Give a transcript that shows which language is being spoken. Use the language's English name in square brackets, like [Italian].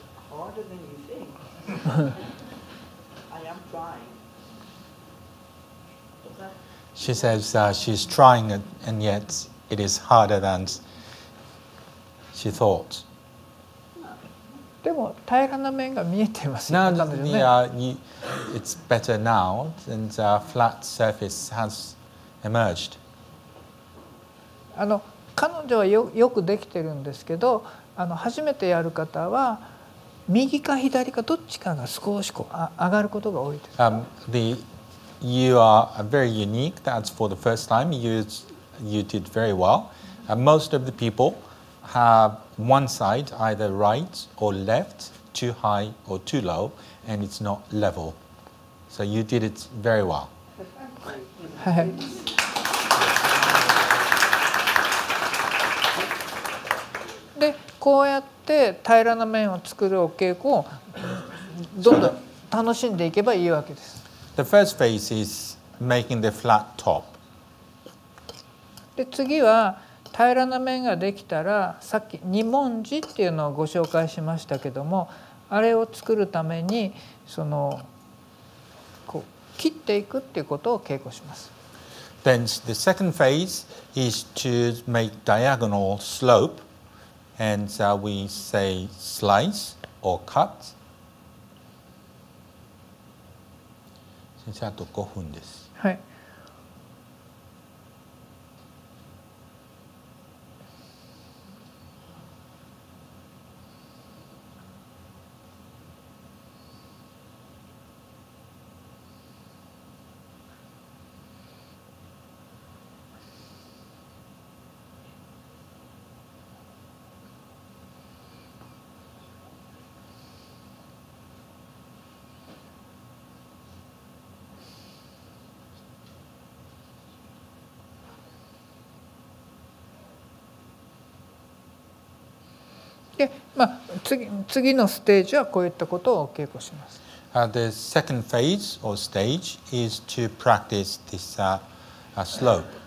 [English] Harder than you think. I am trying. She says she's trying, and yet it is harder than she thought. Yeah. [Japanese] でも平らな面が見えてますよ、ね、 [English] Now, yeah, it's better now, and a flat surface has emerged. [Japanese] あの彼女は よくできてるんですけど、あの初めてやる方は右か左かどっちかが少しこう上がることが多いです。 [English] You are very unique. That's for the first time. You did very well. And most of the people have one side either right or left, too high or too low, and it's not level. So you did it very well. [Japanese] で、こうやって平らな面を作るお稽古をどんどん楽しんでいけばいいわけです。 [English] The first phase is making the flat top. [Japanese] で、次は平らな面ができたら、さっき二文字っていうのをご紹介しましたけども、あれを作るためにそのこう切っていくっていうことを稽古します。 [English] Then the second phase is to make diagonal slope, and we say slice or cut. [Japanese] あと5分です、はい、まあ、次のステージはこういったことを稽古します。 [English] The second phase or stage is to practice this slope.